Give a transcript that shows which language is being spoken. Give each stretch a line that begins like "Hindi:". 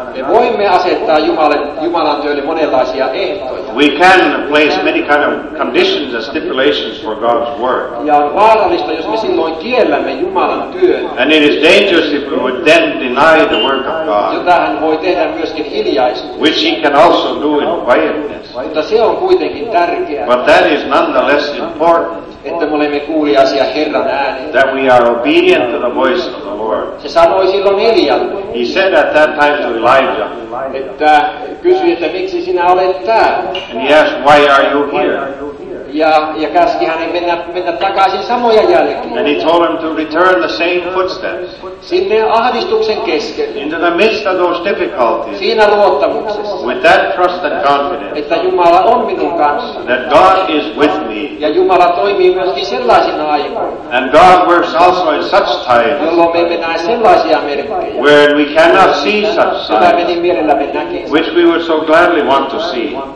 Finnish: Me voimme asettaa Jumalan työlle monenlaisia ehtoja.
English: We can place many kind of conditions and stipulations for God's work.
Finnish: Ja on vaarallista, jos me silloin kiellämme Jumalan työn.
English: And it is dangerous if we would then deny the work of God.
Finnish: Jota hän voi tehdä myöskin hiljaisuudessa.
English: Which he can also do in quietness.
Finnish: Mutta se on kuitenkin tärkeää.
English: But that is nonetheless important.
Finnish: Että me olemme kuuliaisia Herran ääneen.
English: That we are obedient to the voice of the Lord.
Finnish: Se sanoi silloin Elialle.
English: He said at that time to Elijah.
Finnish: Että kysyi, että miksi sinä olet täällä.
English: And he asked, why are you here?
Finnish: Ja käski hänen mennä takaisin samoja jälkiä.
English: And he told him to return the same footsteps.
Finnish: Sinne ahdistuksen keskelle.
English: Into the midst of those difficulties.
Finnish: Siinä luottamuksessa.
English: With that trust and confidence.
Finnish: Että Jumala on minun kanssa.
English: That God is with me.
Finnish: Ja Jumala toimii myöskin sellaisina aikoina.
English: And God works also in such times.
Finnish: Jolloin me emme näe sellaisia merkkejä.
English: Where we cannot see such signs.
Finnish: Sitä me niin mielellämme näkisi.
English: Which we would so gladly want to see.